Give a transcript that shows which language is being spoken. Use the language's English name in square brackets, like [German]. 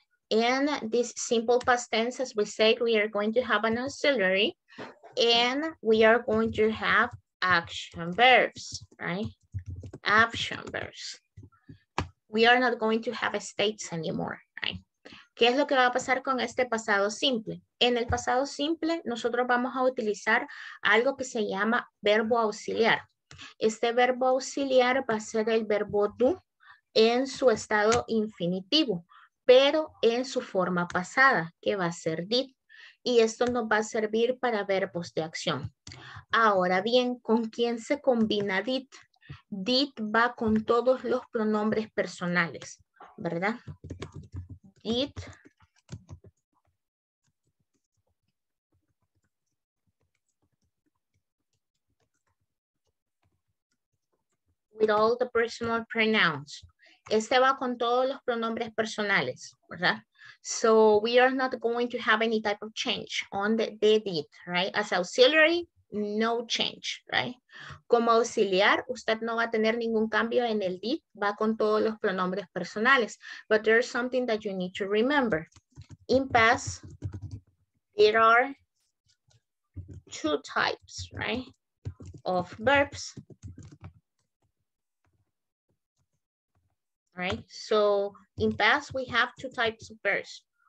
[English] And this simple past tense, as we said, we are going to have an auxiliary and we are going to have action verbs, right? Action verbs. We are not going to have states anymore, right? [Spanish] ¿Qué es lo que va a pasar con este pasado simple? En el pasado simple, nosotros vamos a utilizar algo que se llama verbo auxiliar. Este verbo auxiliar va a ser el verbo do en su estado infinitivo, pero en su forma pasada, que va a ser did. Y esto nos va a servir para verbos de acción. Ahora bien, ¿con quién se combina did? Did va con todos los pronombres personales, ¿verdad? Did. [English] With all the personal pronouns. [Spanish] Este va con todos los pronombres personales, ¿verdad? [English] So we are not going to have any type of change on the did, right? As auxiliary, no change, right? [Spanish] Como auxiliar, usted no va a tener ningún cambio en el did, va con todos los pronombres personales. [English] But there's something that you need to remember. In past, there are two types, right, of verbs. Right, so in past we have two types of verbs.